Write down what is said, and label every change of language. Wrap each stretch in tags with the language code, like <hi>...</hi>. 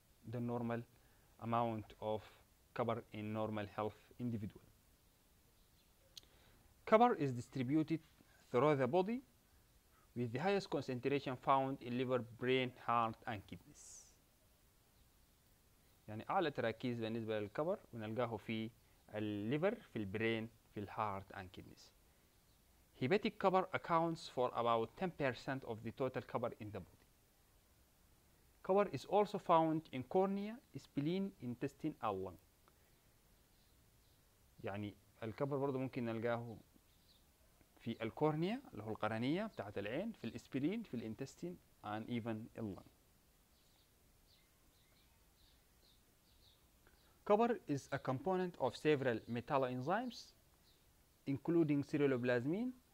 <en>The normal amount of copper in normal health individual. Copper is distributed throughout the body with the highest concentration found in liver, brain, heart, and kidneys.</en> <ar>يعني أعلى تركيز بالنسبة للكبر ونلقاه في الليفر، في البرين، في الهارت،</ar> <en>and kidneys. Hepatic copper accounts for about 10% of the total copper in the body. Copper is also found in cornea, spleen, intestine, and lung.</en> <ar>يعني الكبر برضو ممكن نلقاه في الكورنيا اللي هو القرنية بتاعت العين، في الاسبلين، في الانتستين،</ar> <en>and even the lung. Copper is a component of several metalloenzymes, including ceruloplasmin,</en>